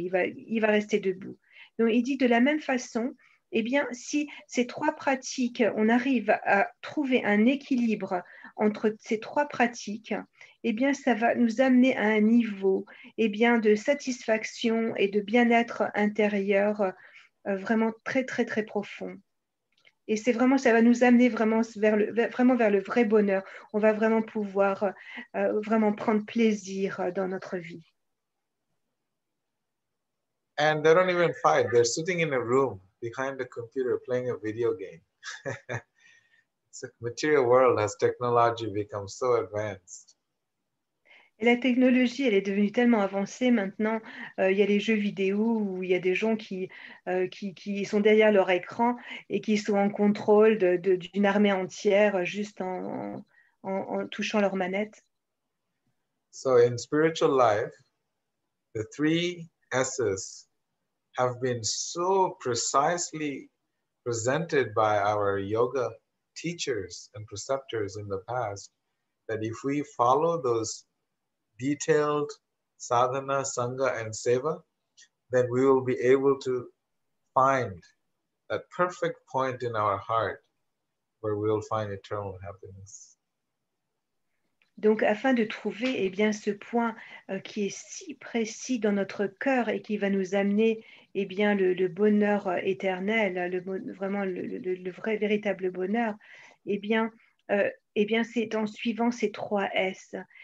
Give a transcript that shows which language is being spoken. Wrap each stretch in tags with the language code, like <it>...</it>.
<fr>Il va rester debout. Donc, il dit de la même façon, eh bien, si ces trois pratiques, on arrive à trouver un équilibre entre ces trois pratiques, eh bien, ça va nous amener à un niveau, eh bien, de satisfaction et de bien-être intérieur vraiment très, très, très profond. Et c'est vraiment, ça va nous amener vraiment vers le vrai bonheur. On va vraiment pouvoir vraiment prendre plaisir dans notre vie.</fr> <en>And they don't even fight. They're sitting in a room behind a computer playing a video game. The material world has technology become so advanced.</en> <fr>Et la technologie, elle est devenue tellement avancée maintenant. Il y a les jeux vidéo où il y a des gens qui sont derrière leur écran et qui sont en contrôle d'une armée entière juste en touchant leur manette.</fr> <en>So in spiritual life, the three S's have been so precisely presented by our yoga teachers and preceptors in the past that if we follow those detailed sadhana, sangha and seva, then we will be able to find that perfect point in our heart where we will find eternal happiness.</en> <fr>Donc afin de trouver, eh bien, ce point qui est si précis dans notre cœur et qui va nous amener, eh bien, le bonheur éternel, le vrai véritable bonheur, eh bien, c'est en suivant ces trois S.</fr>